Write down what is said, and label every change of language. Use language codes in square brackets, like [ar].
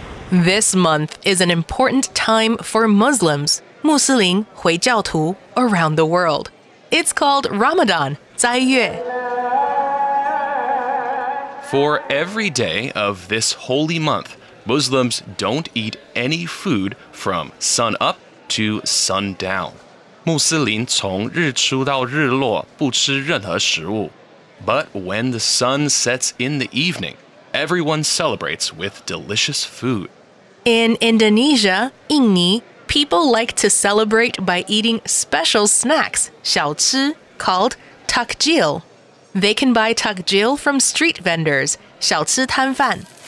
[en] This month is an important time for Muslims, [zh] 穆斯林回教徒 [en] around the world. It's called Ramadan, [zh] 斋月。 [en] For every day of this holy month, Muslims don't eat any food from sun up to sun down. [zh] 穆斯林从日出到日落不吃任何食物。 [en] But when the sun sets in the evening, everyone celebrates with delicious food. In Indonesia, [zh] 印尼, [en] people like to celebrate by eating special snacks, [zh] 小吃, [en] called takjil. They can buy takjil from street vendors, [zh] 小吃摊贩。